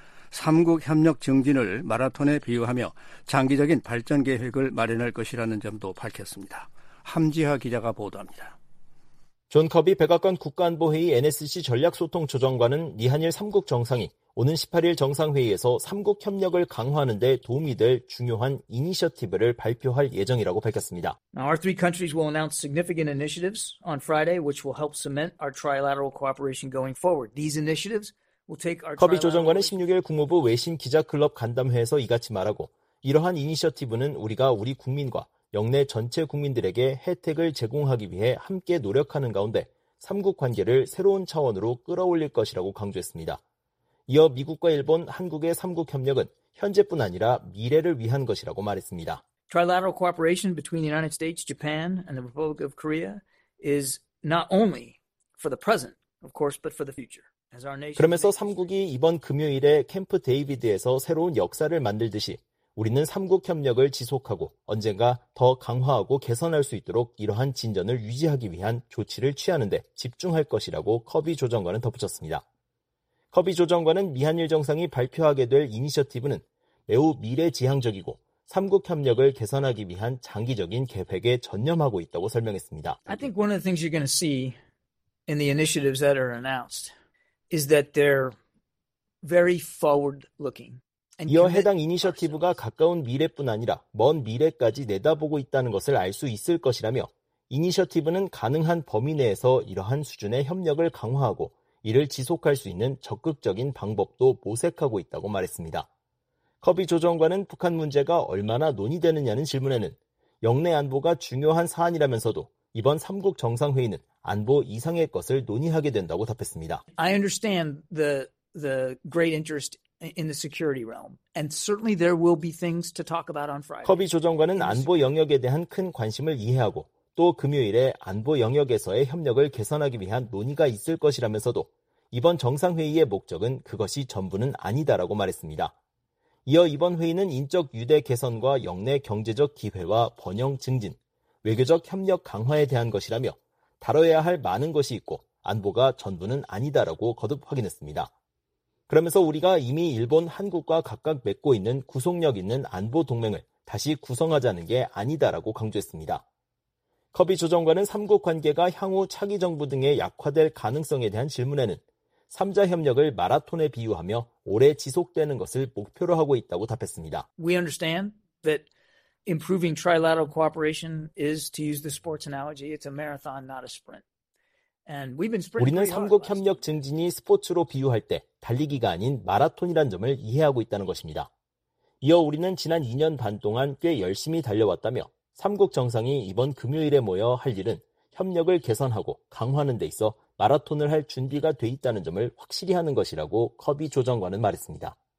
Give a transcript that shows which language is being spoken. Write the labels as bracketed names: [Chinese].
[Korean] 3국 협력 증진을 마라톤에 비유하며 장기적인 발전 계획을 마련할 것이라는 점도 밝혔습니다. 함지하 기자가 보도합니다. 존 커비 백악관 국가안보회의 NSC 전략소통조정관은 미한일 3국 정상이 오는 18일 정상회의에서 3국 협력을 강화하는 데 도움이 될 중요한 이니셔티브를 발표할 예정이라고 밝혔습니다. [English] Now, our three countries will announce significant initiatives on Friday, which will help cement our trilateral cooperation going forward. These initiatives will take our [Korean] 커비 조정관은 16일 국무부 외신 기자클럽 간담회에서 이같이 말하고 이러한 이니셔티브는 우리가 우리 국민과 영내 전체 국민들에게 혜택을 제공하기 위해 함께 노력하는 가운데 3국 관계를 새로운 차원으로 끌어올릴 것이라고 강조했습니다. 이어 미국과 일본, 한국의 3국 협력은 현재뿐 아니라 미래를 위한 것이라고 말했습니다. [English] Trilateral cooperation between the United States, Japan, and the Republic of Korea is not only for the present, of course, but for the future. [Korean] 그러면서 3국이 이번 금요일에 캠프 데이비드에서 새로운 역사를 만들듯이 우리는 3국 협력을 지속하고 언젠가 더 강화하고 개선할 수 있도록 이러한 진전을 유지하기 위한 조치를 취하는 데 집중할 것이라고 커비 조정관은 덧붙였습니다. 커비 조정관은 미한일 정상이 발표하게 될 이니셔티브는 매우 미래지향적이고 3국 협력을 개선하기 위한 장기적인 계획에 전념하고 있다고 설명했습니다. [English] I think one of the things you're going to see in the initiatives that are announced is that they're very forward-looking. [Korean] 이어 해당 이니셔티브가 가까운 미래뿐 아니라 먼 미래까지 내다보고 있다는 것을 알 수 있을 것이라며 이니셔티브는 가능한 범위 내에서 이러한 수준의 협력을 강화하고 이를 지속할 수 있는 적극적인 방법도 모색하고 있다고 말했습니다. 커비 조정관은 북한 문제가 얼마나 논의되느냐는 질문에는 영내 안보가 중요한 사안이라면서도 이번 3국 정상회의는 안보 이상의 것을 논의하게 된다고 답했습니다. [English] I understand the great interest in the security realm and certainly there will be things to talk about on Friday. [Korean] 커비 조정관은 안보 영역에 대한 큰 관심을 이해하고 또 금요일에 안보 영역에서의 협력을 개선하기 위한 논의가 있을 것이라면서도 이번 정상회의의 목적은 그것이 전부는 아니다라고 말했습니다. 이어 이번 회의는 인적 유대 개선과 영내 경제적 기회와 번영 증진, 외교적 협력 강화에 대한 것이라며 다뤄야 할 많은 것이 있고 안보가 전부는 아니다라고 거듭 확인했습니다. 그러면서 우리가 이미 일본, 한국과 각각 맺고 있는 구속력 있는 안보 동맹을 다시 구성하자는 게 아니다라고 강조했습니다. 커비 조정관은 3국 관계가 향후 차기 정부 등에 약화될 가능성에 대한 질문에는 3자 협력을 마라톤에 비유하며 오래 지속되는 것을 목표로 하고 있다고 답했습니다. [English] We understand that improving trilateral cooperation is to use the sports analogy. It's a marathon, not a sprint. And we've been sprinting. [Korean] 우리는 3국 협력 증진이 스포츠로 비유할 때 달리기가 아닌 마라톤이란 점을 이해하고 있다는 것입니다. 이어 우리는 지난 2년 반 동안 꽤 열심히 달려왔다며 3국 정상이 이번 금요일에 모여 할 일은 협력을 개선하고 강화하는 데 있어 마라톤을 할 준비가 돼 있다는 점을 확실히 하는 것이라고 커비 조정관은 말했습니다.